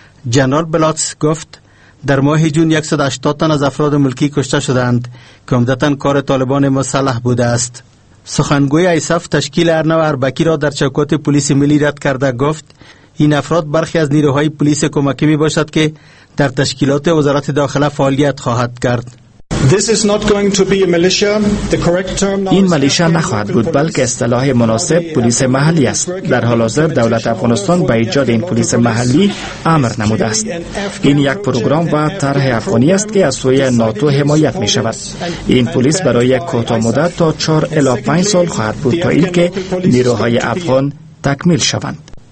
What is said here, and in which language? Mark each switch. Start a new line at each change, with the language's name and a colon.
Persian: جنرال بلاتس گفت در ماه جون 180 تن از افراد ملکی کشته شدند که عمدتاً کار طالبان مسلح بوده است. سخنگوی ایساف تشکیل ارنو اربکی را در چوکات پلیس ملی رد کرده گفت این افراد برخی از نیروهای پلیس کمکی می باشد که در تشکیلات وزارت داخله فعالیت خواهد کرد.
English: This is not going to be a militia. The correct term now.
Persian: این ملیشا نخواهد بود، بلکه اصطلاح مناسب پلیس محلی است. در حال حاضر دولت افغانستان به ایجاد این پلیس محلی امر نموده است. این یک پروگرام و طرح افغانی است که از سوی ناتو حمایت می شود. این پلیس برای کوتاه مدت تا 4 الی 5 سال خواهد بود تا اینکه نیروهای افغان تکمیل شوند.